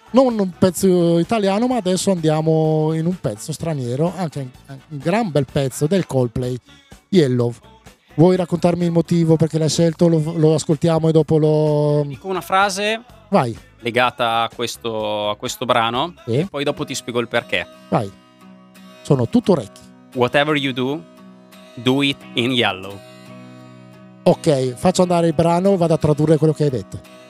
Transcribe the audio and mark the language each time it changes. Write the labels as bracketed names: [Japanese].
[Italian] Non un pezzo italiano, ma adesso andiamo in un pezzo straniero, anche un gran bel pezzo del Coldplay, Yellow. Vuoi raccontarmi il motivo perché l'hai scelto? Lo ascoltiamo e dopo lo... Dico una frase. Vai. Legata a questo brano, sì. E poi dopo ti spiego il perché. Vai. Sono tutto orecchi. [English] Whatever you do, do it in yellow. [Italian] Ok, faccio andare il brano e vado a tradurre quello che hai detto.